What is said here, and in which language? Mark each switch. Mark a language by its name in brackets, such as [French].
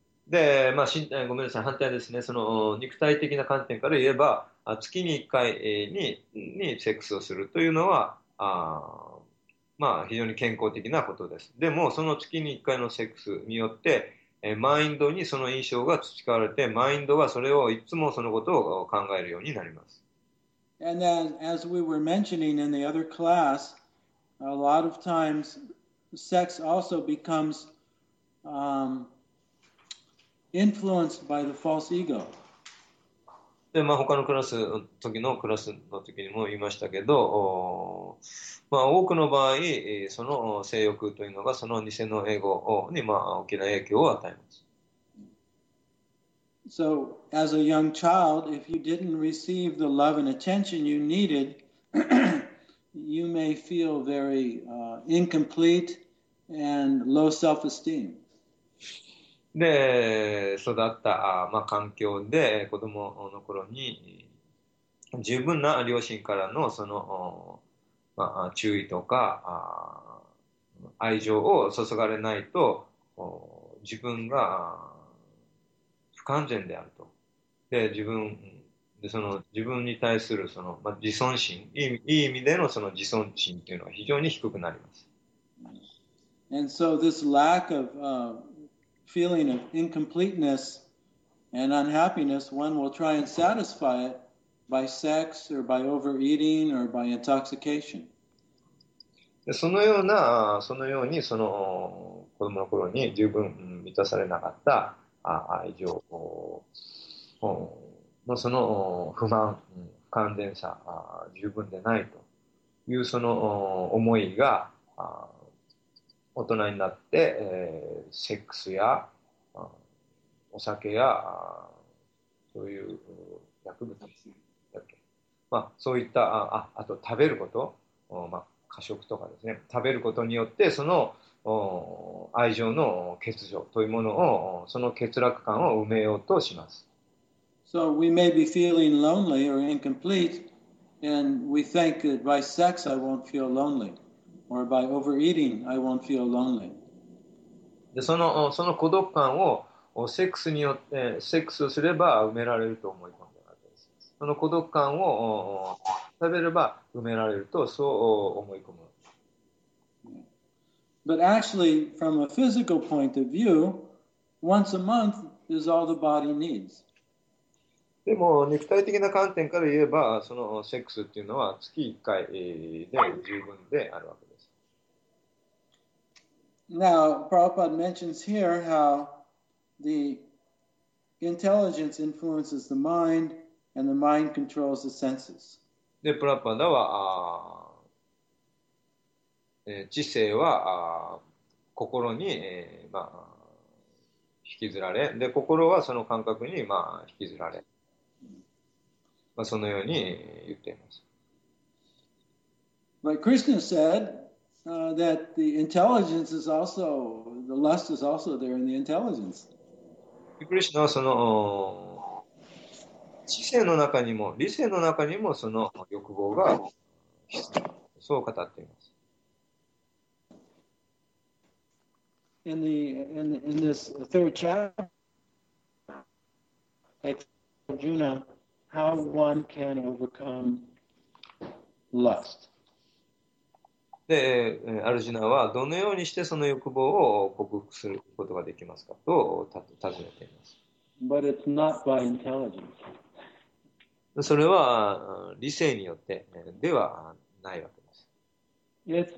[Japanese] で、まあ、ごめんなさい、反対ですね。その肉体的な観点から言えば、月に1回にセックスをするというのは、まあ、非常に健康的なことです。でも、その月に1回のセックスによって、マインドにその印象が培われて、マインドはそれをいつもそのことを考えるようになります。 [English] And then, as we were mentioning in the other class, a lot of times sex also becomes influenced by the false ego. [Japanese] で、まあ、他のクラス、時のクラスの時にも言いましたけど、まあ、多くの場合、その性欲というのがその偽のエゴに、まあ、大きな影響を与えます。 [English] So, as a young child, if you didn't receive the love and attention you needed, you may feel very incomplete and low self-esteem. [Japanese] で、育った、まあ、環境で子供の頃に十分な両親からのその、まあ、注意とか愛情を注がれないと自分が不完全であると。で、自分、で、その、自分に対するその、まあ、自尊心、いい意味でのその自尊心というのは非常に低くなります。 [English] And so this lack of, feeling of incompleteness and unhappiness, one will try and satisfy it by sex or by overeating or by intoxication. [Japanese] で、そのような、そのように、その、子供の頃に十分満たされなかった、愛情のその不満、不完全さ、十分でないというその思いが大人になってセックスやお酒やそういう薬物だっけ、まあ、そういった あと食べること、まあ、過食とかですね、食べることによってその愛情の欠如というものをその欠落感を埋めようとします。 [English] So we may be feeling lonely or incomplete, and we think that by sex I won't feel lonely, or by overeating I won't feel lonely. [Japanese] で、その孤独感をセックスによってセックスをすれば埋められると思い込んでいるわけです。その孤独感を食べれば埋められるとそう思い込む。 [English] But actually, from a physical point of view, once a month is all the body needs. [Japanese] でも肉体的な観点から言えば、そのセックスっていうのは月1回で十分であるわけです。 [English] Now, Prabhupada mentions here how the intelligence influences the mind, and the mind controls the senses. [Japanese] で、プラッパダは、知性は心に、まあ、引きずられ、で、心はその感覚に、まあ、引きずられ、まあ、そのように言っています。 [English] But Krishna said, that the intelligence is also, the lust is also there in the intelligence. [Japanese] Krishna はその知性の中にも理性の中にもその欲望が必要、そう語っています。 [English] In this third chapter, Arjuna, how one can overcome lust. [Japanese] で、アルジュナはどのようにしてその欲望を克服することができますかと尋ねています。 [English] But it's not by intelligence. [Japanese] それは理性によってではないわけです。